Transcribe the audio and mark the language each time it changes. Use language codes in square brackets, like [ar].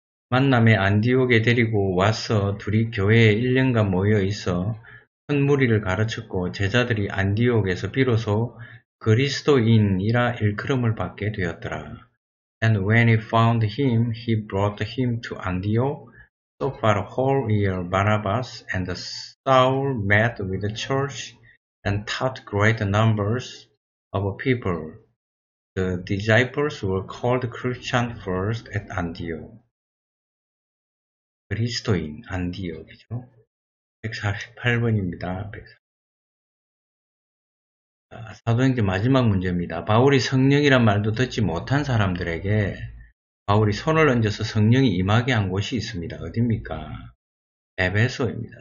[ko] 만남에 안디옥에 데리고 와서 둘이 교회에 1년간 모여 있어 큰 무리를 가르쳤고 제자들이 안디옥에서 비로소 그리스도인이라 일컬음을 받게 되었더라. [en] And when he found him, he brought him to Antioch. So for a whole year, Barnabas and Saul met with the church and taught great numbers of people. The disciples were called Christians first at Antioch. [ko] 그리스도인, 안디옥이죠. 148번입니다. 사도행전 마지막 문제입니다. 바울이 성령이란 말도 듣지 못한 사람들에게 바울이 손을 얹어서 성령이 임하게 한 곳이 있습니다. 어딥니까? 에베소입니다.